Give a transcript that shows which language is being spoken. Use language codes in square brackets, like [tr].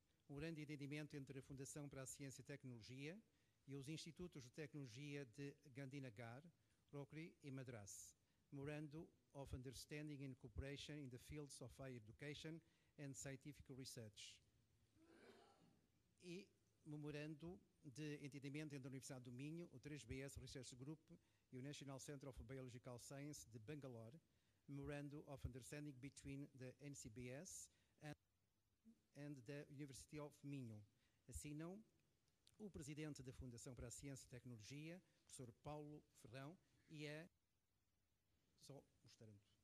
[pt] Um grande entendimento entre a Fundação para a Ciência e Tecnologia e os Institutos de Tecnologia de Gandhinagar, Rokri e Madras. [en] Memorandum of Understanding and Cooperation in the Fields of Higher Education and Scientific Research. [pt] E memorando de entendimento entre a Universidade do Minho, o 3BS Research Group e o National Center of Biological Science de Bangalore. [en] Memorandum of Understanding between the NCBS and the University of Minho. [pt] Assinam o Presidente da Fundação para a Ciência e Tecnologia, Professor Paulo Ferrão, e é só mostrando.